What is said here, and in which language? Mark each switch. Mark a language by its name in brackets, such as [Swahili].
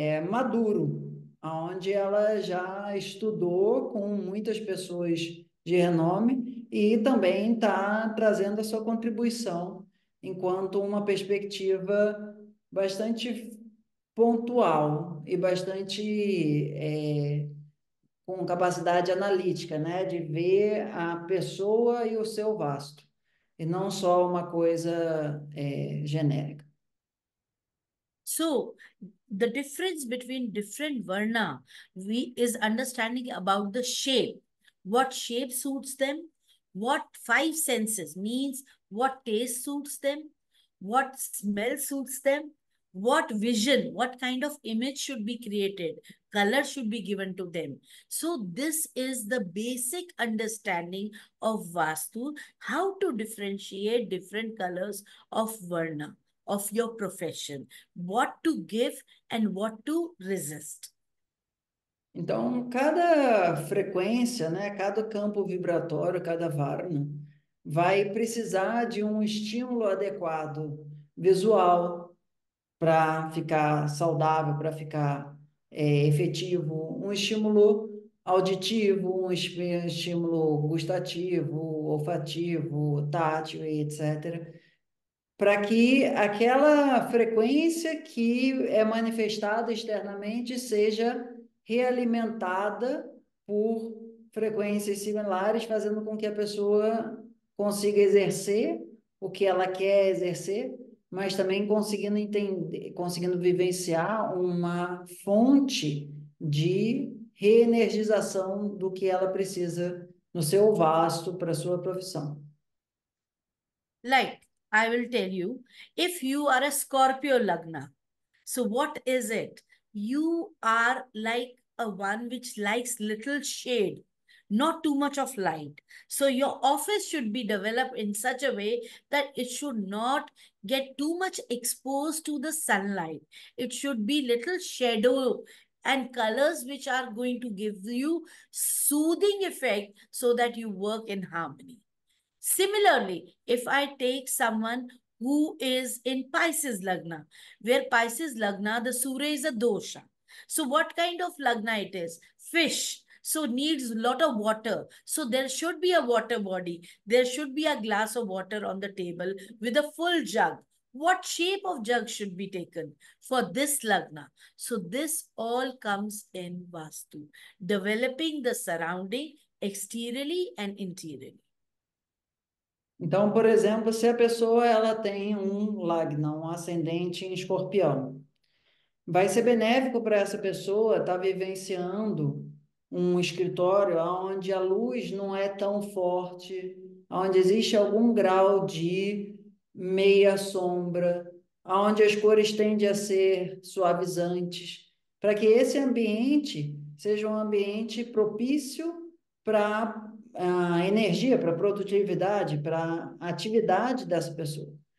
[Portuguese] maduro, onde ela já estudou com muitas pessoas de renome e também está trazendo a sua contribuição enquanto uma perspectiva bastante pontual e bastante com capacidade analítica, né, de ver a pessoa e o seu vasto, e não só uma coisa genérica. [English] So, the difference between different varna is understanding about the shape. What shape suits them? What five senses means? What taste suits them? What smell suits them? What vision? What kind of image should be created? Color should be given to them. So, this is the basic understanding of Vastu, how to differentiate different colors of varna. Of your profession, what to give and what to resist. [Portuguese] Então, cada frequência, né, cada campo vibratório, cada varna, vai precisar de um estímulo adequado visual para ficar saudável, para ficar efetivo, um estímulo auditivo, um estímulo gustativo, olfativo, tátil, etc., para que aquela frequência que é manifestada externamente seja realimentada por frequências similares, fazendo com que a pessoa consiga exercer o que ela quer exercer, mas também conseguindo entender, conseguindo vivenciar uma fonte de reenergização do que ela precisa no seu vasto para sua profissão. [English] Like I will tell you, if you are a Scorpio Lagna, so what is it? You are like a one which likes little shade, not too much of light. So your office should be developed in such a way that it should not get too much exposed to the sunlight. It should be little shadow and colors which are going to give you soothing effect so that you work in harmony. Similarly, if I take someone who is in Pisces Lagna, where Pisces Lagna, the Surya is a dosha. So what kind of Lagna it is? Fish. So needs a lot of water. So there should be a water body. There should be a glass of water on the table with a full jug. What shape of jug should be taken for this Lagna? So this all comes in Vastu, developing the surrounding exteriorly and interiorly. [Portuguese] Então, por exemplo, se a pessoa ela tem um lagna, um ascendente em escorpião, vai ser benéfico para essa pessoa estar vivenciando um escritório onde a luz não é tão forte, onde existe algum grau de meia sombra, onde as cores tendem a ser suavizantes, para que esse ambiente seja um ambiente propício para a energia, para a produtividade, para a atividade dessa pessoa.